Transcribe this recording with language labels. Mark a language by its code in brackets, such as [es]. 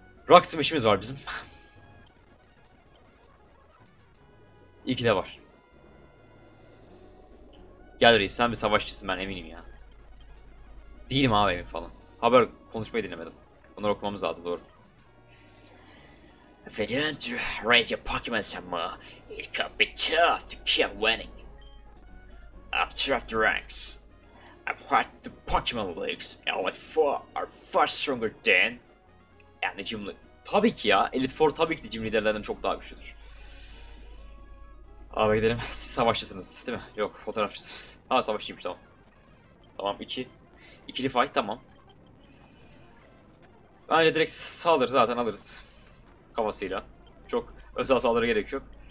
[tr] Raksim işimiz var bizim. İyi ki de var. Gel reis, sen bir savaşçısın ben eminim ya. Değilim abi emin falan. Haber konuşmayı dinlemedim. Bunları okumamız lazım, doğru. [en] If you don't raise your Pokemon some more, it could be tough to keep winning. Up to the ranks. I've heard the Pokemon leagues, Elite 4 are far stronger than and the gym league. [tr] Tabii ki ya, Elite 4 tabii ki de gym liderlerden çok daha güçlüdür. Abi gidelim, siz savaşçısınız değil mi? Yok, fotoğrafçısınız. Ha, savaşçıymış, tamam. Tamam, iki. İkili fight, tamam. Bence direkt saldırır zaten, alırız. Kafasıyla. Çok özel saldırı gerek yok.